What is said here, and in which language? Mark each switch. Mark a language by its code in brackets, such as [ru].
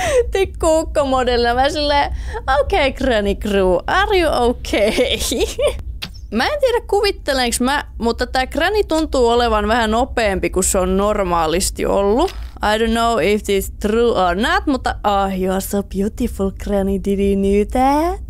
[fi] Tikkuukkomodellina. Mä silleen, okei, Granny Crew, [en] are you okay? [fi] Mä en tiedä, kuvittelenks mä, mutta tää Granny tuntuu olevan vähän nopeampi kuin se on normaalisti ollut. [en] I don't know if this is true or not, mutta oh, you are so beautiful, Granny, did you know that?